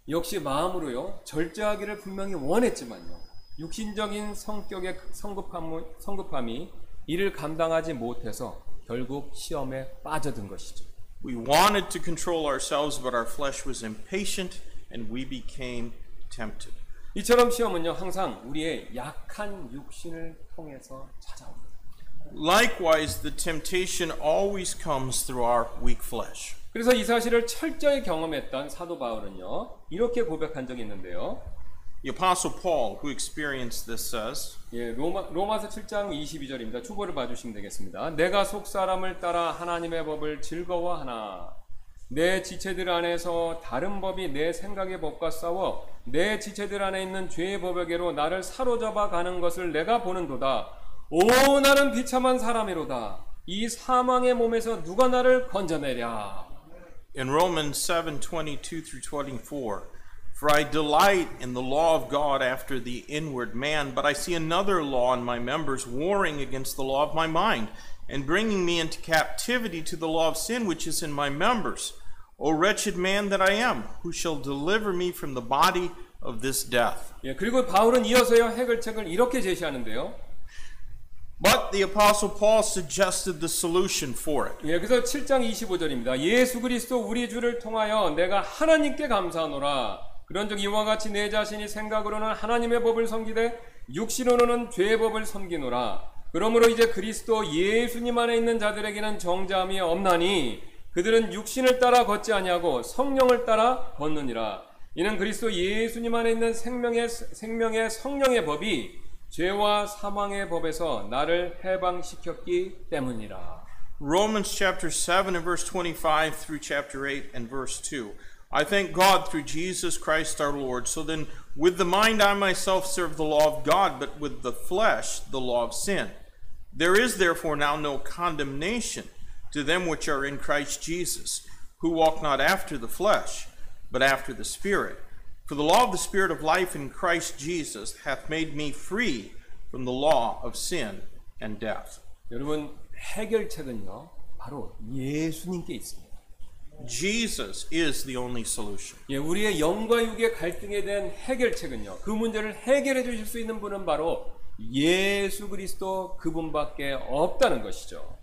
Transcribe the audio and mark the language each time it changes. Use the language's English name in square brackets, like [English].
[Korean] 역시 마음으로요 절제하기를 분명히 원했지만요 육신적인 성격의 성급함이 이를 감당하지 못해서 결국 시험에 빠져든 것이죠. [English] We wanted to control ourselves, but our flesh was impatient, and we became tempted. [Korean] 이처럼 시험은요 항상 우리의 약한 육신을 통해서 찾아옵니다. [English] Likewise, the temptation always comes through our weak flesh. [Korean] 그래서 이 사실을 철저히 경험했던 사도 바울은요 이렇게 고백한 적이 있는데요. [English] The Apostle Paul, who experienced this, says, [Korean] 예, 로마서 7장 22절입니다. 초보를 봐주시면 되겠습니다. 내가 속사람을 따라 하나님의 법을 즐거워하나 내 지체들 안에서 다른 법이 내 생각의 법과 싸워 내 지체들 안에 있는 죄의 법에게로 나를 사로잡아 가는 것을 내가 보는도다. 오, 나는 비참한 사람이로다. 이 사망의 몸에서 누가 나를 건져내랴. [English] In Romans 7:22-24, for I delight in the law of God after the inward man, but I see another law in my members warring against the law of my mind and bringing me into captivity to the law of sin which is in my members. O wretched man that I am, who shall deliver me from the body of this death? [Korean] 예, 그리고 바울은 이어서요 해결책을 이렇게 제시하는데요. [English] But the Apostle Paul suggested the solution for it. [Korean] 예, 그래서 7장 25절입니다. 예수 그리스도 우리 주를 통하여 내가 하나님께 감사하노라. 그런즉 이와 같이 내 자신이 생각으로는 하나님의 법을 섬기되 육신으로는 죄의 법을 섬기노라. 그러므로 이제 그리스도 예수님 안에 있는 자들에게는 정죄함이 없나니 그들은 육신을 따라 걷지 아니하고 성령을 따라 걷느니라. 이는 그리스도 예수님 안에 있는 생명의 성령의 법이 죄와 사망의 법에서 나를 해방시켰기 때문이라. [English] Romans chapter 7 and verse 25 through chapter 8 and verse 2. I thank God through Jesus Christ our Lord. So then with the mind I myself serve the law of God, but with the flesh the law of sin. There is therefore now no condemnation to them which are in Christ Jesus, who walk not after the flesh, but after the Spirit. For the law of the Spirit of life in Christ Jesus hath made me free from the law of sin and death. [Korean] 여러분, 해결책은요, 바로 예수님께 있습니다. [English] Jesus is the only solution. [Korean] 예, 우리의 영과 육의 갈등에 대한 해결책은요, 그 문제를 해결해 주실 수 있는 분은 바로 예수 그리스도 그분밖에 없다는 것이죠.